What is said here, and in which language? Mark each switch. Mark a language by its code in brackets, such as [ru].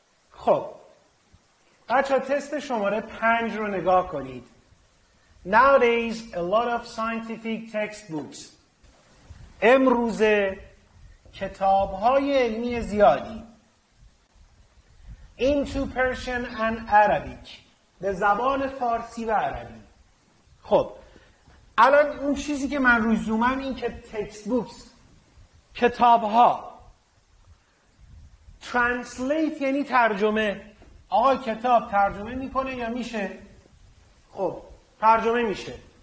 [fa] خب بچه ها تست شماره 5 رو نگاه کنید. [en] Nowadays a lot of scientific textbooks. [fa] امروزه کتاب‌های علمی زیادی. [en] Into Persian and Arabic. [fa] به زبان فارسی و عربی. خب الان اون چیزی که من روی زومم این که textbooks کتاب‌ها. Translate یعنی ترجمه. آقا کتاب ترجمه میکنه یا میشه؟ خب ترجمه میشه.